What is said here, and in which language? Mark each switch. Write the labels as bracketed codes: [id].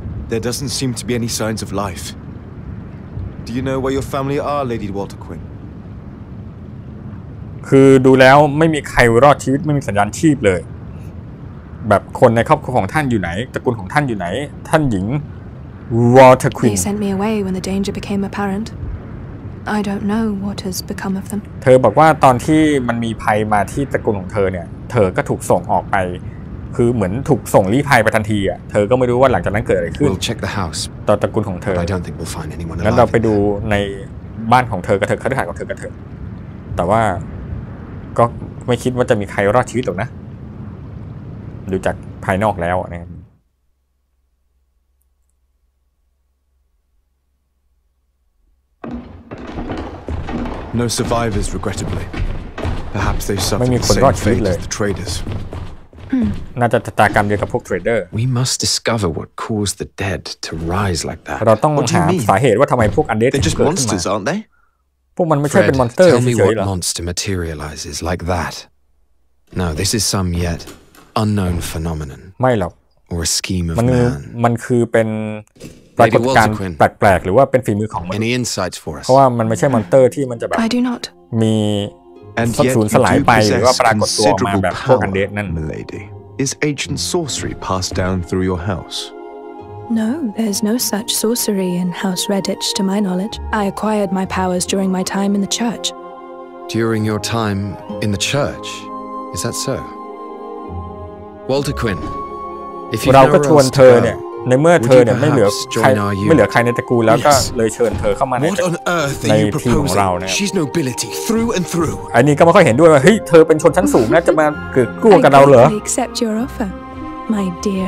[en] There doesn't seem to be any signs of life. Do you know where your family are, Lady Walter Quinn? [th] คือดูแล้วไม่มีใครรอดชีวิตไม่มีสัญญาณชีพเลยแบบคนในครอบครัวของท่านอยู่ไหนตระกูลของท่านอยู่ไหนท่านหญิง Walter Quinn [en] He sent me away when the danger became apparent. I don't know what has become of them. [th] เธอบอกว่าตอนที่มันมีภัยมาที่ตระกูลของเธอเนี่ยเธอก็ถูกส่งออกไปคือเหมือนถูกส่งลี้ภัยไปทันทีอ่ะเธอก็ไม่รู้ว่าหลังจากนั้นเกิดอะไรขึ้น [en] We'll check the house [th] ต่อตระกูลของเธอ [en] I don't think we'll find anyone alive [th] งั้นเราไปดูในบ้านของเธอกับเธอคฤหาสน์ของเธอกับเธอแต่ว่าก็ไม่คิดว่าจะมีใครรอดชีวิตหรอกนะดูจากภายนอกแล้วนะ [en] No survivors regrettably Perhaps they suffered the same fate as the traders [th] น่าจะชะตากรรมเดียวกับพวกเทรดเดอร์ [en] We must discover what caused the dead to rise like that [th] เราต้องหาสาเหตุว่าทำไมพวกอันเดด ถึงเกิดขึ้นมา [en] They're just monsters, aren't they? [th] พวกมันไม่ใช่เป็นมอนสเตอร์เฉยๆหรอ [en] Tell me what monster materializes like that No, this is some yet unknown phenomenon [th] ไม่หรอก [en] Or a scheme of man [th] มันคือเป็นปรากฏการณ์แปลกๆหรือว่าเป็นฝีมือของมัน เพราะว่ามันไม่ใช่มอนสเตอร์ที่มันจะแบบ [en] I do not มีAnd yet, you do possess considerable power, my lady. Is ancient sorcery passed down through your house? No, there's no such sorcery in House Redditch, to my knowledge. I acquired my powers during my time in the church. During your time in the church, is that so? Walter Quinn, if you know where else to go, [th] ในเมื่อเธอเนี่ยไม่เหลือใครในตระกูลแล้วก็เลยเชิญเธอเข้ามาในทีมของเราเนี่ย [en] She's nobility through and through [th] อันนี้ก็ไม่ค่อยเห็นด้วยว่าเฮ้ยเธอเป็นชนชั้นสูงนะจะมาเกือกกู้กับเราเหรอ [en] I gladly accept your offer my dear